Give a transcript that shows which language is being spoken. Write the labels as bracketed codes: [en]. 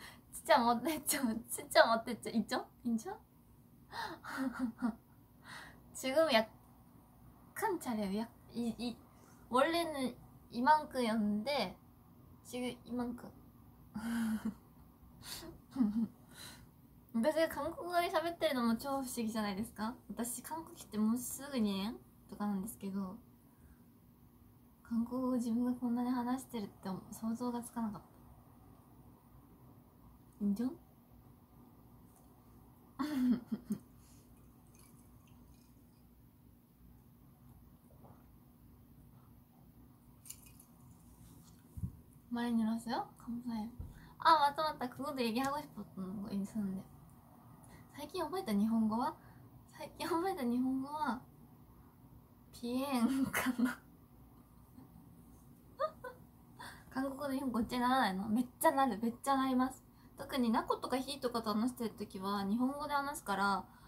[ko] 진짜 못했죠. 있죠? 인정? 지금 약간 잘해요. 원래는 이만큼이었는데 지금 이만큼. [ja] 別に韓国語で喋ってるのも超不思議じゃないですか。私韓国来てもうすぐ2年とかなんですけど、韓国語を自分がこんなに話してるって想像がつかなかった。 [ko] んじょ많이 늘었어요?감사해요. 아, 맞다 맞다. 그것도 얘기하고 싶었던 거 있었는데. [ja] 最近覚えた日本語は？最近覚えた日本語はピエンかな。韓国語の日本語っちゃならないの？めっちゃなる、めっちゃなります。特にナコとかヒーとかと話してる時は日本語で話すから。